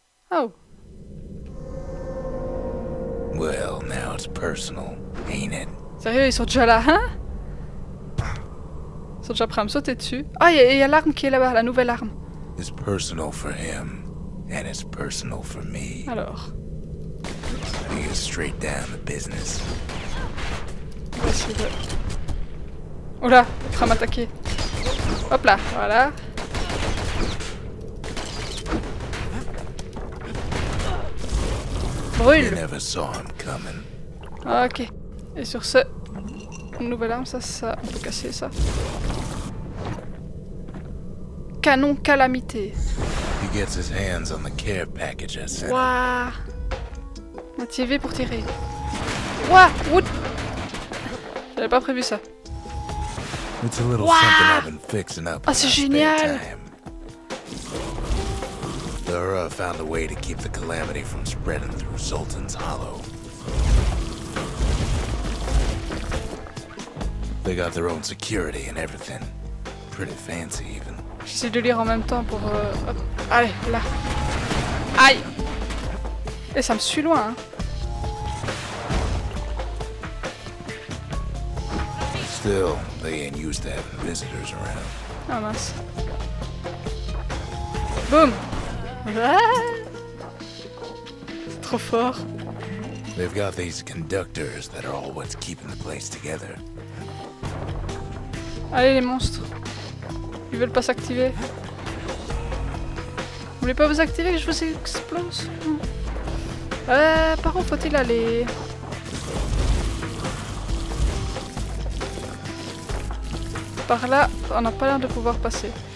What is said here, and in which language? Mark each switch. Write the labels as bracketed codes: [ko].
[en] Oh. Well, now it's personal, ain't it? [fr] Sérieux, ils sont déjà là, hein? Ils sont déjà prêts à me sauter dessus. Ah, il y a l'arme qui est là-bas, la nouvelle arme. [en] It's personal for him, and it's personal for me. [fr] Alors, [en] we go straight down to business. [fr] Merci de... Oula, il va m'attaquer. Hop là, voilà. Brûle. [en] You never saw him coming. Ok. [fr] Et sur ce, nouvelle arme, ça, on peut casser ça. Canon calamité. [en] He gets his hands on the care package I sent. [fr] Wow. Un TV pour tirer. Wow. Ouh. J'avais pas prévu ça. [en] It's a little something I've been fixing up. [fr] Oh, c'est génial. [en] Lura found a way to keep the calamity from spreading through Sultan's Hollow. They got their own security and everything. Pretty fancy even. [fr] J'essaie de lire en même temps pour... Hop. Allez, là. Aïe. Et ça me suit loin, hein. [en] Still, they ain't used to have visitors around. [fr] Oh mince. Boum. C'est trop fort. [en] They've got these conductors that are all what's keeping the place together. [fr] Allez les monstres. Ils veulent pas s'activer. Vous voulez pas vous activer, je vous explose. Par où faut-il aller? Par là, on n'a pas l'air de pouvoir passer.